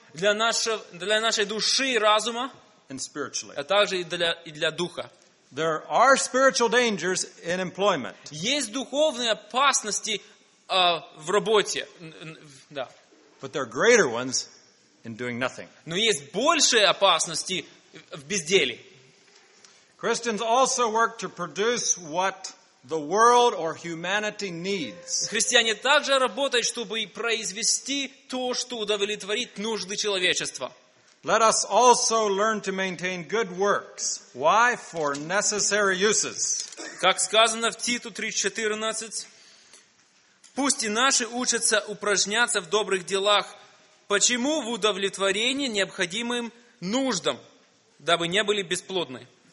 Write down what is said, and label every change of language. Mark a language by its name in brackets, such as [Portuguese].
[Russian] Для нашей души и разума. [English] and spiritually. [Russian] А также и для духа. [English] There are spiritual dangers in employment. [Russian] Есть духовные опасности в работе. Да. [English] But there are greater ones in doing nothing. [Russian] Но есть большие опасности в безделе. [English] Christians also work to produce what the world or humanity needs. [Russian] Христиане также работают, чтобы произвести то, что удовлетворит нужды человечества. [English] Let us also learn to maintain good works. Why? For necessary uses. [Russian] Как сказано в Титу 3:14, пусть и наши учатся упражняться в добрых делах, почему в удовлетворении необходимым нуждам, дабы не были бесплодны.